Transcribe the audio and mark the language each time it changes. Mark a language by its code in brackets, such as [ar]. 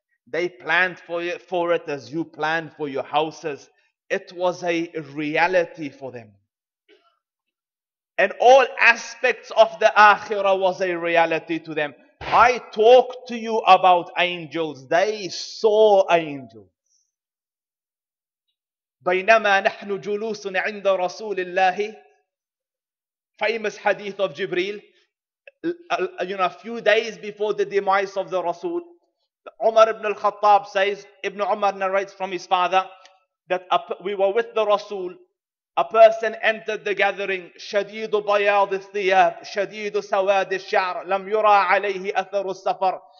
[en] They planned for it as you plan for your houses. It was a reality for them. And all aspects of the Akhirah was a reality to them. I talked to you about angels. They saw angels. [ar] بينما نحن جلوس عند رسول الله. [en] Famous hadith of Jibreel. You know, a few days before the demise of the Rasul, Umar ibn al-Khattab says, Ibn Umar narrates from his father that we were with the Rasul. A person entered the gathering, [ar] شديد بياض الثياب, شديد سواد الشعر, لم يرى عليه أثر السفر.